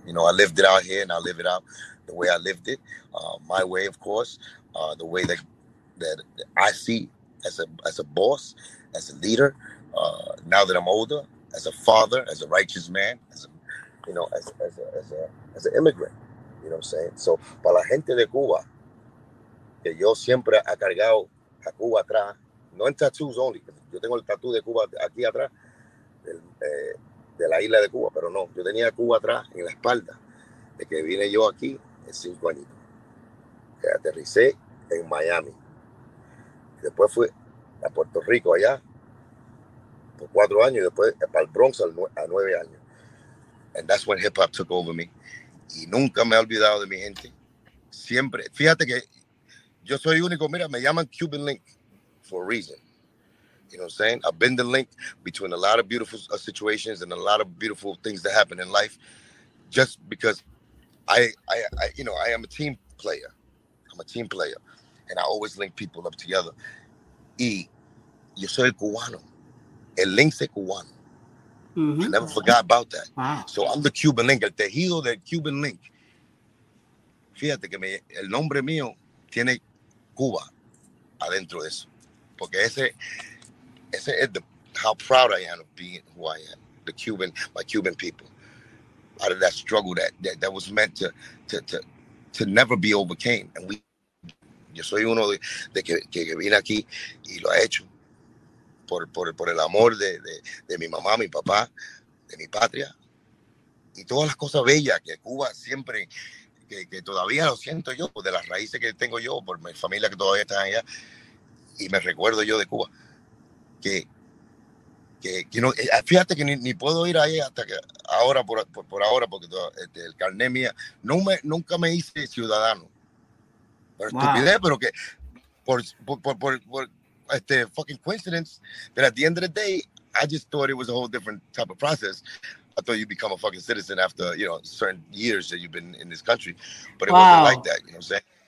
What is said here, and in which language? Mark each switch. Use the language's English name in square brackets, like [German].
[English] You know, I lived it out here and I live it out the way I lived it. My way, of course, the way that I see as a boss, as a leader, now that I'm older, as a father, as a righteous man, as a you know, as an immigrant, you know what I'm saying? [Spanish] So, para la gente de Cuba, que yo siempre ha cargado a Cuba atrás, no en tattoos only, yo tengo el tattoo de Cuba aquí atrás, de la isla de Cuba, pero no, yo tenía Cuba atrás en la espalda, de que vine yo aquí en 5 años, que aterricé en Miami. Después fui a Puerto Rico allá por 4 años y después para el Bronx a 9 años. [English] And that's when hip hop took over me. [Spanish] Y nunca me he olvidado de mi gente. Siempre. Fíjate que yo soy único. Mira, me llaman [English] Cuban Link for a reason. You know what I'm saying? I've been the link between a lot of beautiful situations and a lot of beautiful things that happen in life just because I you know, I am a team player. I'm a team player. And I always link people up together. [Spanish] Y yo soy el cubano. El link es cubano. [English] Mm-hmm. I never forgot about that. Wow. So I'm the Cuban Link. [Spanish] El tejido del Cuban Link. Fíjate que el nombre mío tiene Cuba adentro de eso. Porque ese es [English] how proud I am of being who I am. The Cuban, my Cuban people. Out of that struggle that was meant to never be overcame. [Spanish] And yo soy uno de que vine aquí y lo he hecho por el amor de mi mamá, mi papá, de mi patria y todas las cosas bellas que Cuba siempre, que todavía lo siento yo, pues de las raíces que tengo yo, por mi familia que todavía está allá, y me recuerdo yo de Cuba, que no, fíjate que ni puedo ir ahí hasta que ahora, por ahora, porque el carnet mía, nunca me hice ciudadano. Por estupidez, [English] wow. [Spanish] Pero que por [English] fucking coincidence that at the end of the day, I just thought it was a whole different type of process. I thought you'd become a fucking citizen after, you know, certain years that you've been in this country. But it wow. wasn't like that, you know what I'm saying?